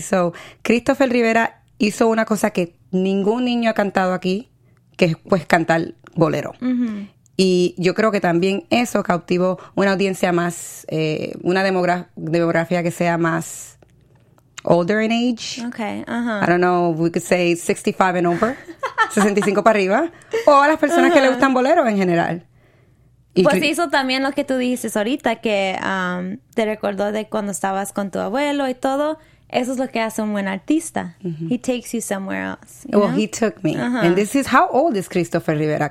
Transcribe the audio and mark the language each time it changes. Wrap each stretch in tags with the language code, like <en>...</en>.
<es>So, Christopher Rivera hizo una cosa que ningún niño ha cantado aquí, que es pues cantar bolero. Y yo creo que también eso cautivó una audiencia más, una demografía que sea más</es> <en>older in age. Okay, I don't know, we could say 65 and over,</en> <es>65 para arriba. O a las personas que le gustan boleros en general. Y pues hizo también lo que tú dices ahorita, que te recordó de cuando estabas con tu abuelo y todo. Eso es lo que hace un buen artista.</es> <en>He takes you somewhere else. Well, he took me. And this is, how old is Christopher Rivera?</en>